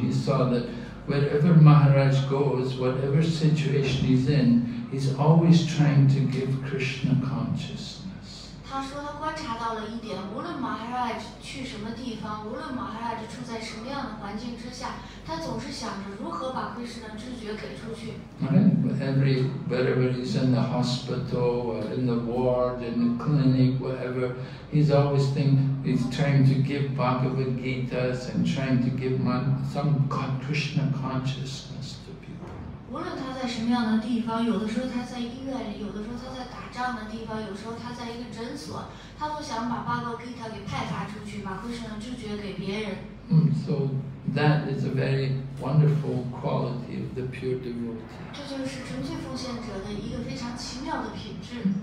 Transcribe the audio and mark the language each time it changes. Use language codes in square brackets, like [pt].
[en] He saw that wherever Maharaj goes, whatever situation he's in, he's always trying to give Krishna consciousness. [zh] 他说他观察到了一点，无论马哈拉什去什么地方，无论马哈拉什处在什么样的环境之下。 [en] Right. Wherever he's in the hospital, or in the ward, in the clinic, whatever, he's always thinking, he's trying to give Bhagavad Gita and trying to give some Krishna consciousness to people. [zh] 无论他在什么样的地方，有的时候他在医院里，有的时候他在打仗的地方，有时候他在一个诊所，他都想把 Bhagavad Gita 给派发出去，把 Krishna 知觉给别人。 [en] So that is a very wonderful quality of the pure devotee. [zh] 这就是纯粹奉献者的一个非常奇妙的品质。